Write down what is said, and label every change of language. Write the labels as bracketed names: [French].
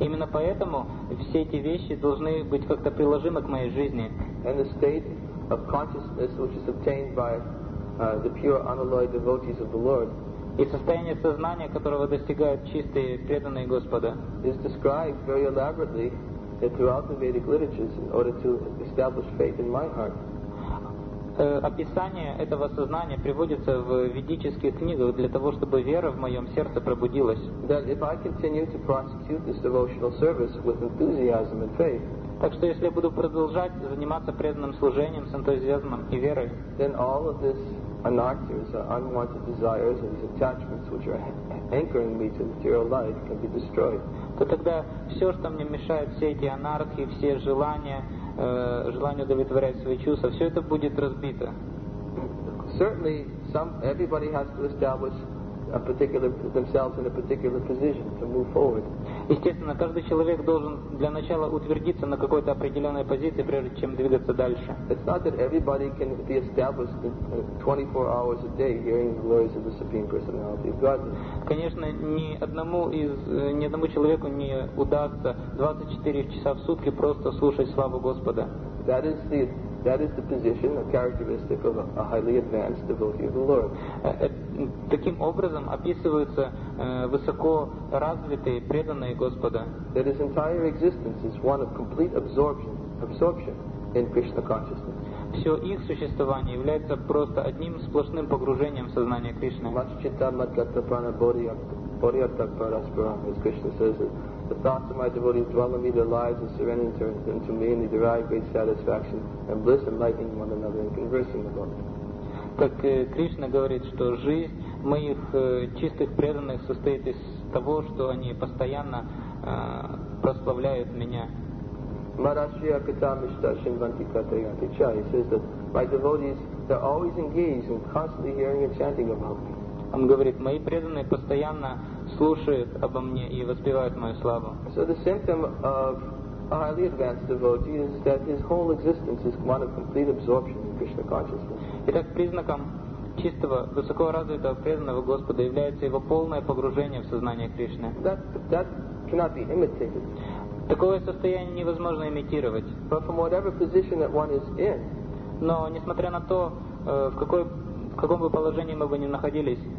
[Russian] Именно поэтому все эти вещи должны быть как-то приложимы к моей жизни. [English] And the state of consciousness which is obtained by the pure unalloyed devotees of the Lord. [Russian] И состояние сознания, которого достигают чистые преданные Господа. [English] Is described very elaborately throughout the Vedic literatures in order to establish faith in my heart. [Russian] Описание этого сознания приводится в ведических книгах для того, чтобы вера в моем сердце пробудилась. [English] That if I continue to prosecute this devotional service with enthusiasm and faith, [Russian] так что если я буду продолжать заниматься преданным служением с энтузиазмом и верой, [English] then all of this anarthas, unwanted desires and these attachments which are anchoring me to material life can be destroyed. [Russian] То тогда все, что мне мешает, все эти анархии, все желания, желание удовлетворять свои чувства, все это будет разбито. [English] Certainly, everybody has to establish themselves in a particular position to move forward. [Russian] Естественно, каждый человек должен для начала утвердиться на какой-то определенной позиции, прежде чем двигаться дальше. [English] It's not that everybody can be established 24 hours a day hearing the glories of the Supreme Personality of Godhead. [Russian] Конечно, ни одному человеку не удастся 24 часа в сутки просто слушать славу Господа. [English] That is the position, a characteristic of a highly advanced devotee of the Lord. [Russian] Таким образом описываются высоко развитые преданные Господа. [English] That his entire existence is one of complete absorption in Krishna consciousness. [Russian] Все их существование является просто одним сплошным погружением в сознание Кришны. [Sanskrit] Matchita matgata prana bodhiyatak paraspuram, [English] as Krishna says it. The thoughts of my devotees dwell in me, their lives and surrender into me, and they derive great satisfaction and bliss enlightening one another and conversing about it. [Russian] Как Кришна говорит, что жизнь моих чистых преданных состоит из того, что они постоянно прославляют меня. [Sanskrit] Marashya Katamishta Shinvanti Katayanti Cha. [English] He says that my devotees, they're always engaged in constantly hearing and chanting about me. [Russian] Он говорит, мои преданные постоянно слушают обо мне и воспевают мою славу. [English] So the symptom of a highly advanced devotee is that his whole existence is one of complete absorption in Krishna consciousness. [Russian] Итак, признаком чистого, высоко развитого преданного Господа является его полное погружение в сознание Кришны. [English] That cannot be imitated. [Russian] Такое состояние невозможно имитировать. [English] But from whatever position that one is in, [Russian] но несмотря на то, в каком бы положении мы бы ни находились,